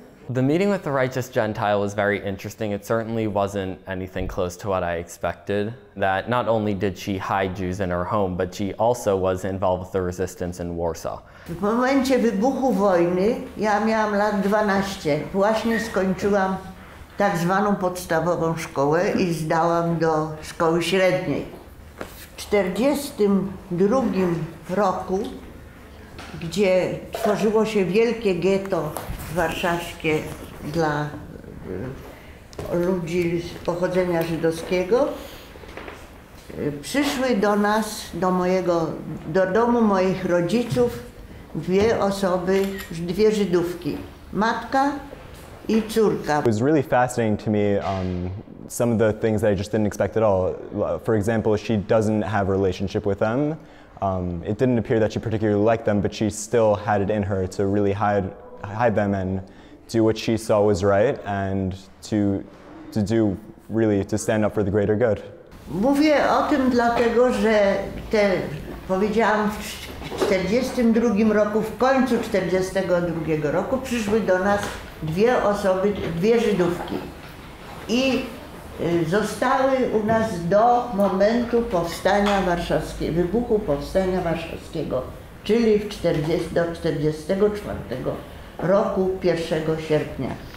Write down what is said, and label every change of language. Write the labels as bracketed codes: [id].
[en] The meeting with the righteous Gentile was very interesting. It certainly wasn't anything close to what I expected. That not only did she hide Jews in her home, but she also was involved with the resistance in Warsaw. [pl] W momencie wybuchu wojny ja miałam lat 12. Właśnie skończyłam tak zwaną podstawową szkołę i zdałam do szkoły średniej. W 42 roku, gdzie tworzyło się wielkie getto warszawskie dla ludzi z pochodzenia żydowskiego, przyszły do nas, do domu moich rodziców, dwie osoby, dwie Żydówki, matka i córka. [en] It was really fascinating to me, some of the things that I just didn't expect at all. For example, she doesn't have a relationship with them. It didn't appear that she particularly liked them, but she still had it in her to really hide them and do what she saw was right and to do really to stand up for the greater good. [pl] Mówię o tym dlatego, że powiedziałam w 42 roku, w końcu 42 roku przyszły do nas dwie osoby, dwie Żydówki i zostały u nas do momentu powstania warszawskiego, wybuchu powstania warszawskiego, czyli do 44 roku 1 sierpnia.